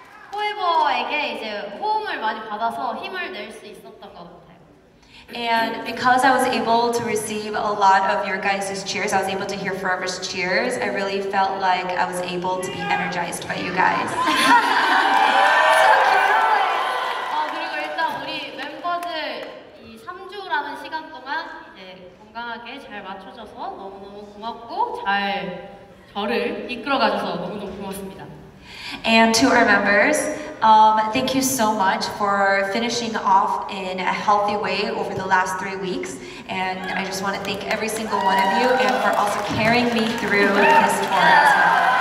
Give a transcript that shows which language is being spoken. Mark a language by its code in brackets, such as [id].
[ko] 포에버에게 이제 호응을 많이 받아서 힘을 낼 수 있었던 것 같아요. [en] And because I was able to receive a lot of your guys' cheers, I was able to hear Forever's cheers, I really felt like I was able to be energized by you guys. So cute! [ko] 그리고 일단 우리 멤버들 이 3주라는 시간 동안 이제 건강하게 잘 맞춰줘서 너무너무 고맙고 잘 저를 이끌어가줘서 너무너무 고맙습니다. [en] And to our members, thank you so much for finishing off in a healthy way over the last 3 weeks. And I just want to thank every single one of you and for also carrying me through this tour as well.